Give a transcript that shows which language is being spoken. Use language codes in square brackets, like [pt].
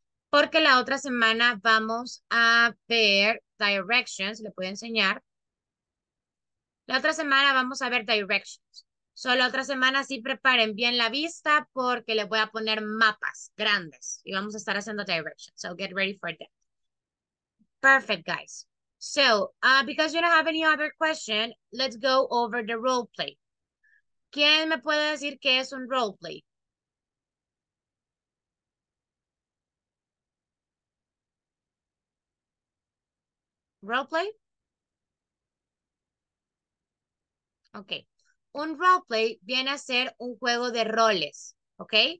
[es] Porque la otra semana vamos a ver directions. Le puedo enseñar. La otra semana vamos a ver directions. Solo otra semana sí preparen bien la vista porque les voy a poner mapas grandes y vamos a estar haciendo directions. [en] So get ready for that. Perfect, guys. So, because you don't have any other question, let's go over the role play. [es] ¿Quién me puede decir qué es un role play? [en] Role play? [es] Ok, un roleplay viene a ser un juego de roles, ok?